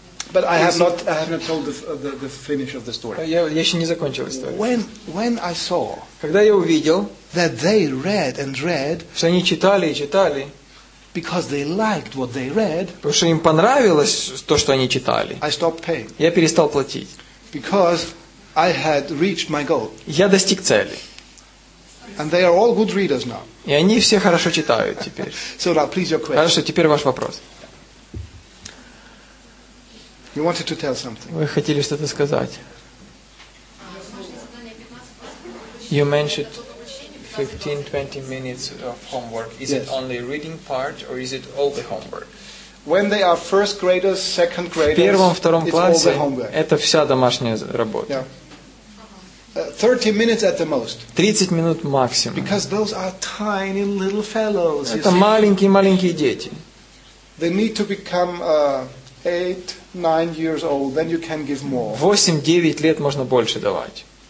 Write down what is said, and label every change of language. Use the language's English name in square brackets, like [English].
[English] But I have not told the finish of the story. [Russian] Я еще не закончил историю. [English] When I saw. [Russian] Когда я увидел. [English] That they read and read. [Russian] Что они читали и читали. [English] Because they liked what they read. [Russian] Потому что им понравилось то, что они читали. [English] I stopped paying. [Russian] Я перестал платить. [English] Because I had reached my goal. [Russian] Я достиг цели. [English] And they are all good readers now. [Russian] И они все хорошо читают теперь. [English] So now, please, your question. [Russian] Хорошо, теперь ваш вопрос. [English] You wanted to tell something. [Russian] Вы хотели что-то сказать. [English] You mentioned 15-20 minutes of homework. Is it only reading part or is it all the homework? When they are first graders, second graders, it's all the homework. [Russian] Это вся домашняя работа. [English] Yeah. 30 minutes at the most. [Russian] 30 минут максимум. [English] Because those are tiny little fellows. [Russian] Это маленькие дети. [English] They need to become 8, 9 years old, then you can give more. [Russian] 8-9 лет можно больше давать.